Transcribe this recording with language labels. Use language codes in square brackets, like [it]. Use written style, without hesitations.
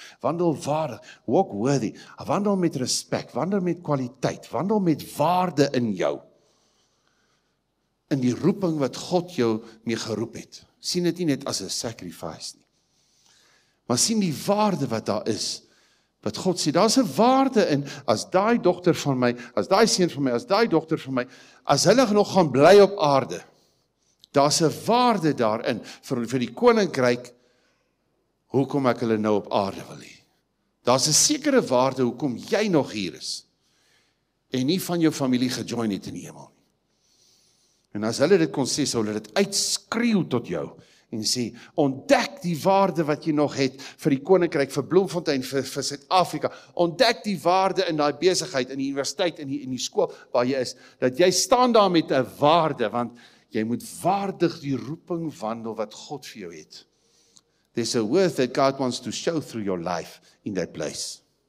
[af] Wandelwaardig, [en] walk worthy, [af] wandel met respect, wandel met kwaliteit, wandel met waarde in jou. In die roeping wat God jou mee geroep het. Sien dit nie net as 'n sacrifice nie. Maar sien die waarde wat daar is, wat God sê, daar is 'n waarde in, as daai dogter van my, as daai seun van my, as daai dogter van my, as hulle nog gaan bly op aarde, daar is 'n waarde daarin, vir die koninkryk, hoekom ek hulle nou op aarde wil hê. Daar is 'n sekere waarde, hoekom jy nog hier is, en nie van jou familie gejoin het in die hemel. En as hulle dit kon sê, sal hulle dit uitskreeu tot jou, en sê, ontdek die waarde wat jy nog het, vir die koninkryk, vir Bloemfontein, vir Suid-Afrika, ontdek die waarde in die besigheid, in die universiteit, in die skool, waar jy is, dat jy staan daar met een waarde, want jy moet waardig die roeping wandel, wat God vir jou het. [en] There's a worth that God wants to show through your life, in that place.